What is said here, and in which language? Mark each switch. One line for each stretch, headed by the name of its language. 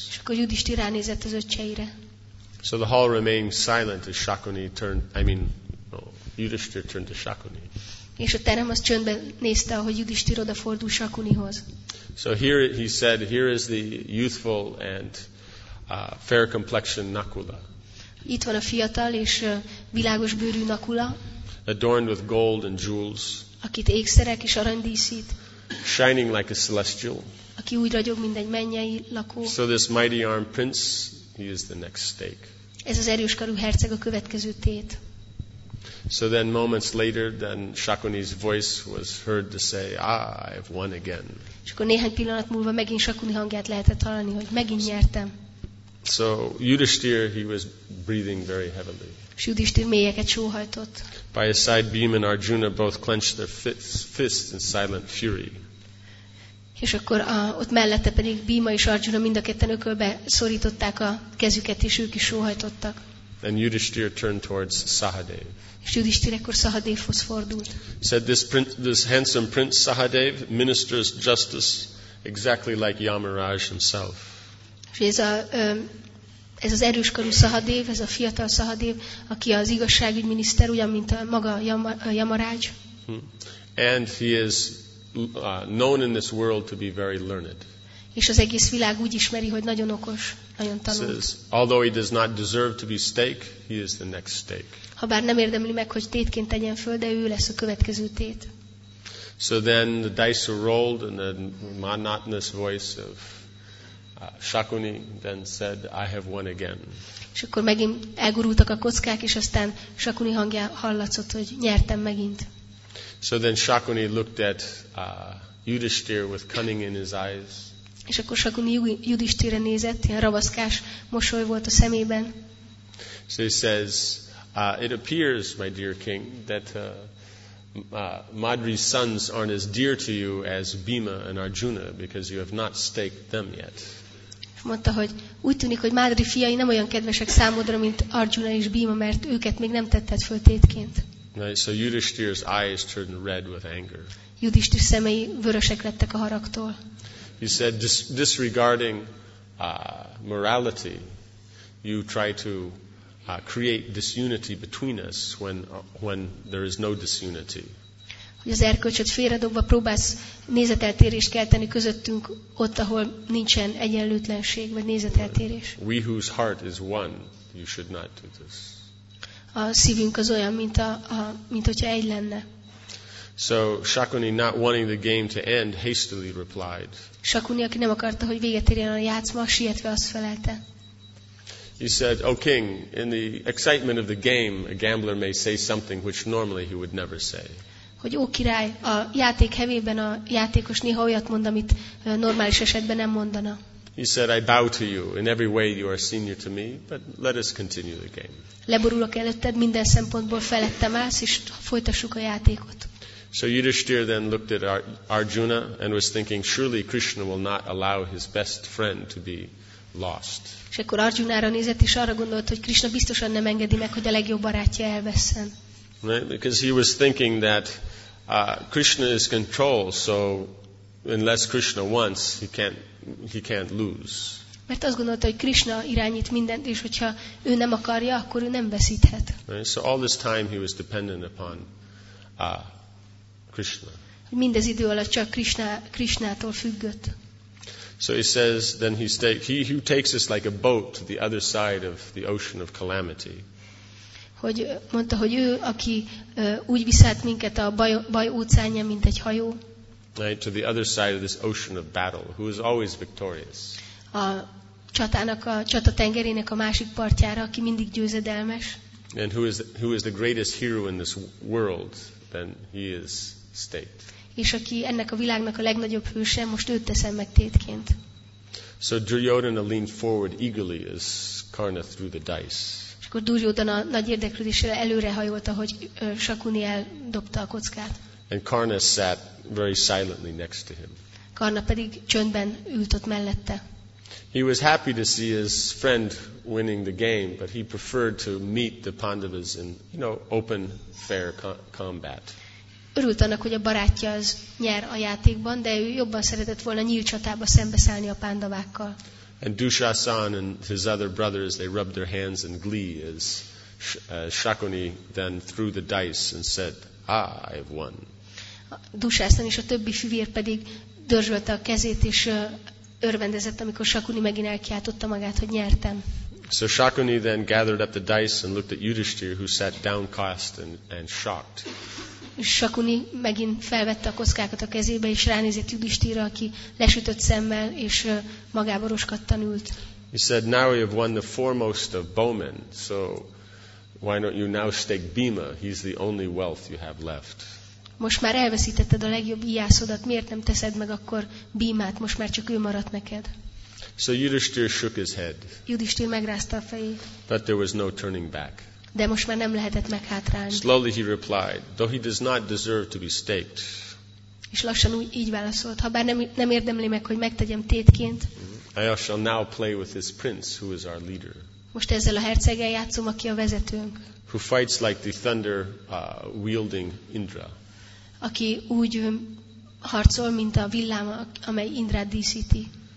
Hungarian: És akkor Yudhishthira ránézett az öccseire.
English: So the hall remained silent as Shakuni Yudhishthira turned to Shakuni.
Hungarian: És a terem az csöndben nézte, ahogy Yudhishthira odafordul Shakunihoz.
English: So here he said, here is the youthful and fair complexion Nakula.
Hungarian: Itt van a fiatal és világos bőrű Nakula.
English: Adorned with gold and jewels.
Hungarian: Akit ékszerek és arany díszít.
English: Shining like a celestial.
Hungarian: Aki úgy ragyog, mint egy mennyei lakó.
English: So this mighty armed prince, he is the next stake.
Hungarian: Ez az erős karú herceg a következő tét.
English: So then moments later, then Shakuni's voice was heard to say, ah, I've won again.
Hungarian: És akkor néhány pillanat múlva megint Shakuni hangját lehetett hallani, hogy megint nyertem.
English: So Yudhishthira, he was breathing very heavily.
Hungarian: És Yudhishthira mélyeket sóhajtott.
English: By his side, Bhima and Arjuna both clenched their fists in silent fury.
Hungarian: És akkor ott mellette pedig Bhima és Arjuna mind a ketten ökölbe szorították a kezüket, és ők is sóhajtottak.
English: And Yudhishthira turned towards Sahadev.
Hungarian: És Yudhishthira ekkor Sahadevhoz fordult.
English: Said this handsome prince Sahadev ministers justice exactly like Yamaraj himself.
Hungarian: Ez az erős karú Sahadev, ez a fiatal Sahadev, aki az igazságügy miniszter, ugyan mint a maga Yamaraj.
English: And he is known in this world to be very learned.
Hungarian: És az egész világ úgy ismeri, hogy nagyon okos, nagyon tanult.
English: Says, although he does not deserve to be stake, he is the next stake.
Hungarian: Habár nem érdemli meg, hogy tétként tegyen föl, de ő lesz a következő tét.
English: So then the dice are rolled and the monotonous voice of Shakuni then said, I have won again.
Hungarian: És akkor megint elgurultak a kockák, és aztán Shakuni hangja hallatszott, hogy nyertem megint.
English: So then Shakuni looked at Yudhishthir with cunning in his eyes.
Hungarian: És akkor Shakuni Yudhishthirre nézett, ilyen ravaszkás mosoly volt a szemében.
English: So he says, it appears, my dear king, that Madri's sons aren't as dear to you as Bhima and Arjuna because you have not staked them yet.
Hungarian: És mondta, hogy úgy tűnik, hogy Madri fiai nem olyan kedvesek számodra, mint Arjuna és Bhima, mert őket még nem tetted föl tétként.
English: Right, so Yudhishthir's eyes turned red with anger.
Hungarian: Yudhishthir szemei vörösek lettek a haragtól.
English: He said, disregarding morality, you try to create disunity between us when there is no disunity.
Hungarian: Hogy az erkölcsöt félredobva próbálsz nézeteltérést kelteni közöttünk ott, ahol nincsen egyenlőtlenség vagy nézeteltérés.
English: We whose heart is one, you should not do this.
Hungarian: A szívünk az olyan, mint mint hogyha egy lenne.
English: So Shakuni, not wanting the game to end, hastily replied.
Hungarian: Shakuni, aki nem akarta, hogy véget érjen a játszma, sietve azt felelte.
English: He said, O king, in the excitement of the game, a gambler may say something which normally he would never say.
Hungarian: Hogy ó király, a játék hevében a játékos néha olyat mond, amit normális esetben nem mondana.
English: He said, I bow to you. In every way you are senior to me, but let us continue the game.
Hungarian: Leborulok előtted, minden szempontból felettem állsz, és folytassuk a játékot.
English: So Yudhishthir then looked at Arjuna and was thinking, surely Krishna will not allow his best friend to be lost.
Hungarian: És akkor Arjunára nézett, és arra gondolt, hogy Krishna biztosan nem engedi meg, hogy a legjobb barátja elvesszen.
English: Right? Because he was thinking that Krishna is control, so unless Krishna wants, he can't lose.
Hungarian: Mert azt gondolta, hogy Krishna irányít mindent, és hogyha ő nem akarja, akkor ő nem veszíthet.
English: Right? So all this time he was dependent upon Krishna.
Hungarian: Mindez idő alatt csak Krishnától függött.
English: So he says, then he who takes us like a boat to the other side of the ocean of calamity.
Hungarian: Hogy mondta, hogy ő, aki úgy viszett minket a baj óceánja, mint egy hajó.
English: Right, to the other side of this ocean of battle, who is always victorious.
Hungarian: A csatának, a csata tengerének a másik partjára, aki mindig győzedelmes.
English: And who is the greatest hero in this world, then he is state.
Hungarian: És aki ennek a világnak a legnagyobb hőse, most őt teszem meg tétként.
English: So Duryodhana leaned forward eagerly as Karna threw the dice.
Hungarian: És akkor Duryodhana nagy érdeklődéssel előre hajolt, ahogy Shakuni eldobta a kockát.
English: And Karna sat very silently next to him.
Hungarian: Karna pedig csöndben ült ott mellette.
English: He was happy to see his friend winning the game, but he preferred to meet the Pandavas in, you know, open, fair combat.
Hungarian: Örült annak, hogy a barátja az nyer a játékban, de ő jobban szeretett volna nyílt csatába szembeszállni a Pandavákkal.
English: And Dushasan and his other brothers, they rubbed their hands in glee as Shakuni then threw the dice and said, "Ah, I've won."
Hungarian: Dushasan és a többi fivér pedig dörzsölte a kezét és örvendezett, amikor Shakuni megint elkiáltotta magát, hogy nyertem.
English: So Shakuni then gathered up the dice and looked at Yudhishthir, who sat downcast and shocked.
Hungarian: Shakuni megint felvette a kockákat a kezébe, és ránézett Yudhishthirre, aki lesütött szemmel, és magába roskadtan ült.
English: He said, now you have won the foremost of bowmen, so why don't you now stake Bhima? He's the only wealth you have left.
Hungarian: Most már elveszítetted a legjobb íjászodat, miért nem teszed meg akkor Bhimát? Most már csak ő maradt neked.
English: So Yudhishthir shook his head.
Hungarian: Yudhishthir megrázta a fejét.
English: But there was no turning back.
Hungarian: De most már nem lehetett meghátrálni.
English: Slowly he replied, though he does not deserve to be staked.
Hungarian: És lassan úgy így válaszolt, ha bár nem érdemli meg, hogy megtegyem tétként.
English: I shall now play with this prince, who is our leader.
Hungarian: Most ezzel a herceggel játszom, aki a vezetőnk.
English: Who fights like the thunder wielding Indra.
Hungarian: Aki úgy harcol, mint a villám, amely Indrát díszíti.